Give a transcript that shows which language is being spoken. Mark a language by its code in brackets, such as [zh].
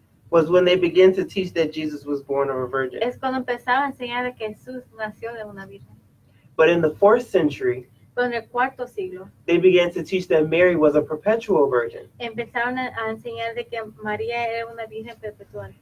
[en] Was when they began to teach that Jesus was born of a virgin. [es] Es cuando empezaban a enseñar que Jesús nació de una virgen. [en] But in the fourth century, [es] pero en el cuarto siglo, [en] they began to teach that Mary was a perpetual virgin. [es] Empezaron a enseñar de que María era una virgen perpetual.